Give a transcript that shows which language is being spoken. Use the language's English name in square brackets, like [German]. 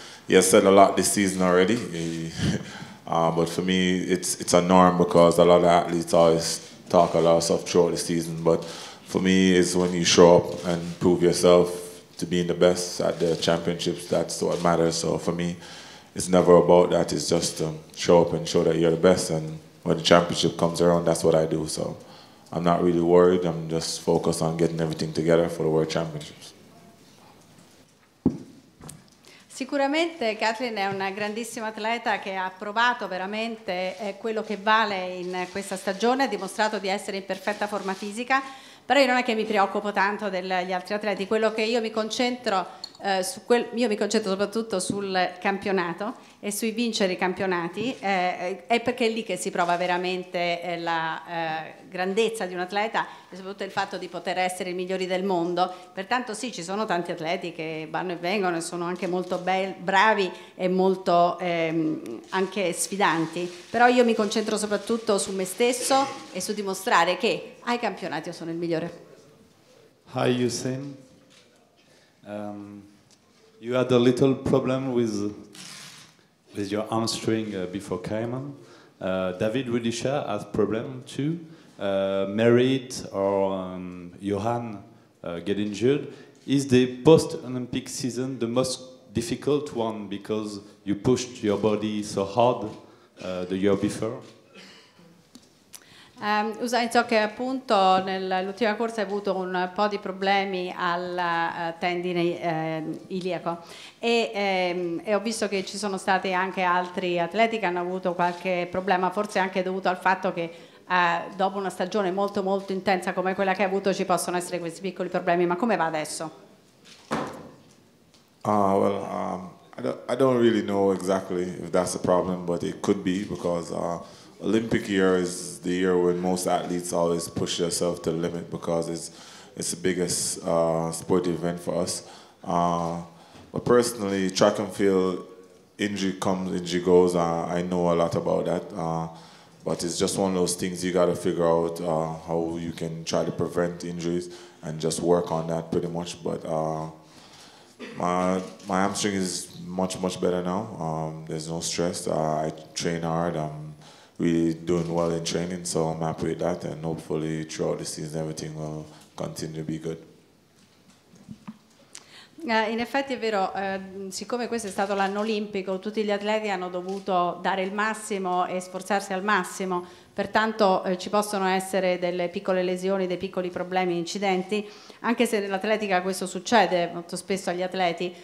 [English] He has said a lot this season already, but for me, it's a norm, because a lot of athletes always talk a lot of stuff throughout the season, but for me, it's when you show up and prove yourself to being the best at the championships, that's what matters. So for me, it's never about that, it's just to show up and show that you're the best, and when the championship comes around, that's what I do. So I'm not really worried. I'm just focused on getting everything together for the World Championships. [Italian] Sicuramente Kathleen è una grandissima atleta che ha provato veramente quello che vale in questa stagione, ha dimostrato di essere in perfetta forma fisica, però io non è che mi preoccupo tanto degli altri atleti, quello che io mi concentro, io mi concentro soprattutto sul campionato e sui vincere i campionati, è perché è lì che si prova veramente la grandezza di un atleta e soprattutto il fatto di poter essere i migliori del mondo. Pertanto sì, ci sono tanti atleti che vanno e vengono e sono anche molto bravi e molto anche sfidanti, però io mi concentro soprattutto su me stesso e su dimostrare che ai campionati io sono il migliore. [English] Hi Usain, you had a little problem with your hamstring before Cayman. David Rudisha has problem too. Merit or Johan get injured. Is the post-Olympic season the most difficult one because you pushed your body so hard the year before? [Italian] Usain, so che appunto nell'ultima corsa hai avuto un po' di problemi al tendine iliaco e ho visto che ci sono stati anche altri atleti che hanno avuto qualche problema, forse anche dovuto al fatto che dopo una stagione molto molto intensa come quella che hai avuto ci possono essere questi piccoli problemi. Ma come va adesso? [English] I don't really know exactly if that's a problem, but it could be because Olympic year is the year when most athletes always push themselves to the limit because it's the biggest sporting event for us. But personally, track and field, injury comes, injury goes. I know a lot about that. But it's just one of those things you got to figure out how you can try to prevent injuries and just work on that pretty much. But my hamstring is much, much better now. There's no stress. I train hard. Really doing well in training, so I'm happy with that, and hopefully throughout the season everything will continue to be good. [Italian] In effetti è vero, siccome questo è stato l'anno olimpico, tutti gli atleti hanno dovuto dare il massimo e sforzarsi al massimo, pertanto ci possono essere delle piccole lesioni, dei piccoli problemi, incidenti, anche se nell'atletica questo succede molto spesso agli atleti.